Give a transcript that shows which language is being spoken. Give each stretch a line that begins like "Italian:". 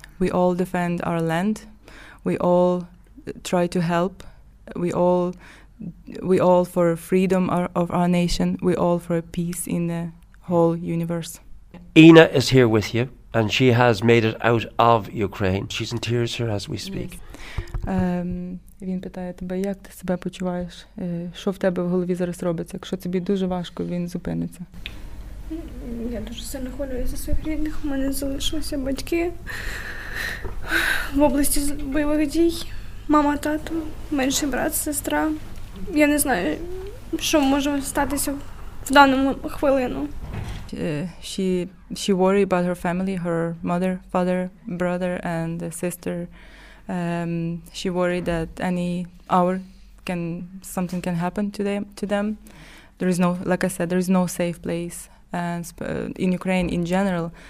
English: We all defend our land. We all try to help. We all for freedom of our nation. We all for peace in the whole universe. Ina is here with you, and she has made it out of Ukraine. She's in tears here as we speak.
Ukrainian: Він питає тебе, як ти себе почуваєш? Що в тебе в голові зараз робиться? Якщо тобі дуже важко, він зупиниться. Я дуже сильно хвилююся за своїх рідних. У мене залишилися батьки в області бойових дій. Мама, тато, менший брат, сестра. Я не знаю, що може статися в дану хвилину.
English: She worried about her family, her mother, father, brother, and sister. She worried that any hour something can happen to them. There is no, like I said, there is no safe place and in Ukraine in general.